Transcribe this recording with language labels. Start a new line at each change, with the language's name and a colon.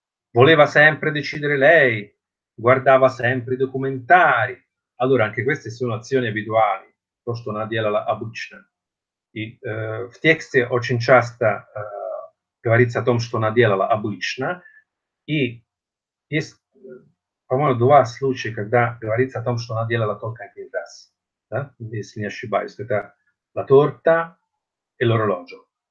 Italian: Voleva sempre decidere lei, guardava sempre i documentari. Allora, anche queste sono azioni abituali, posto Nadia Abuchna.
Russian: В тексте очень часто говорится о том, что она делала обычно. И есть, по-моему, два случая, когда говорится о том, что она делала только один раз. Да? Если не ошибаюсь, это
Italian: la torta e l'orologio.